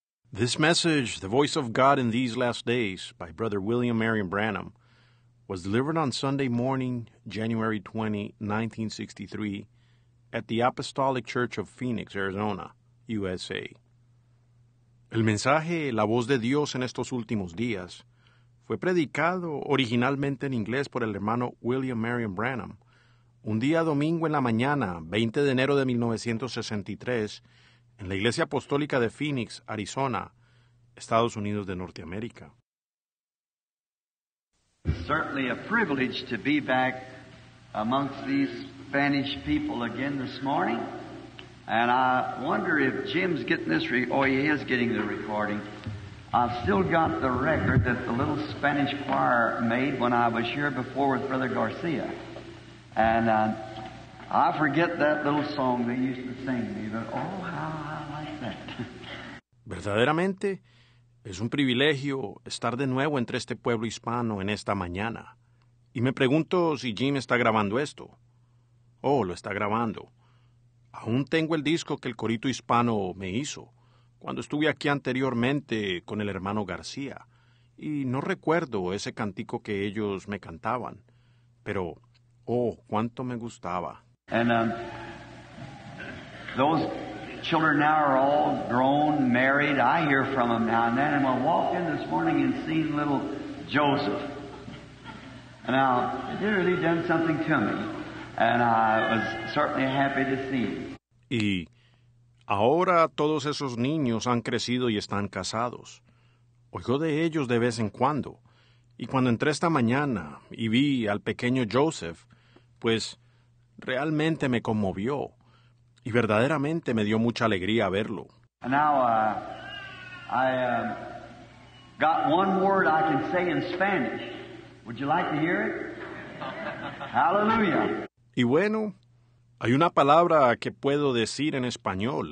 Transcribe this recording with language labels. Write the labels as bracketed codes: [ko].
[en] This message, The Voice of God in These Last Days, by Brother William Marion Branham, was delivered on Sunday morning, January 20, 1963, at the Apostolic Church of Phoenix, Arizona, USA. [es] El mensaje, La Voz de Dios en estos últimos días, fue predicado originalmente en inglés por el hermano William Marion Branham, un día domingo en la mañana, 20 de enero de 1963, en la Iglesia Apostólica de Phoenix, Arizona, Estados Unidos de Norteamérica. [en] Certainly a privilege to be back amongst these Spanish people again this morning. And I wonder if Jim's getting this recording. I've still got the record that the little Spanish choir made when I was here before with Brother Garcia. And I forget that little song they used to sing me, but oh, how I like that. [es] Verdaderamente, es un privilegio estar de nuevo entre este pueblo hispano en esta mañana. Y me pregunto si Jim está grabando esto. Oh, lo está grabando. Aún tengo el disco que el corito hispano me hizo cuando estuve aquí anteriormente con el hermano García. Y no recuerdo ese cantico que ellos me cantaban. Pero, oh, cuánto me gustaba. [en] And those children now are all grown, married. I hear from them now and then. And I walked in this morning and seen little Joseph. Now, he really done something to me. And I was certainly happy to see him. [es] Y ahora todos esos niños han crecido y están casados. Oigo de ellos de vez en cuando. Y cuando entré esta mañana y vi al pequeño Joseph, pues realmente me conmovió y verdaderamente me dio mucha alegría verlo. [en] Now, I got one word I can say in Spanish. Would you like to hear it? Hallelujah. [es] Y bueno, hay una palabra que puedo decir en español.